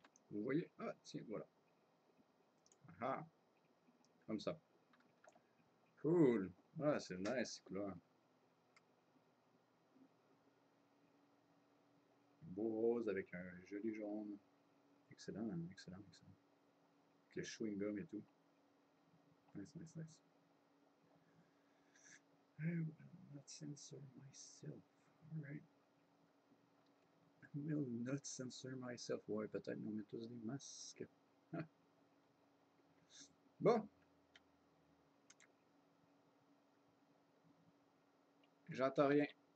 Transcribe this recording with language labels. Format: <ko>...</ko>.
<fr>Vous voyez, ah tiens, voilà. Ah, comme ça. Cool. Ah, c'est nice, c'est cool. Beau rose avec un joli jaune. Excellent, excellent, excellent. Avec le chewing-gum et tout.</fr> <en>Nice. I will not censor myself. All right. Will not censor myself.</en> <fr>Ouais, peut-être nous met tous des masques. Bon. J'entends rien.</fr>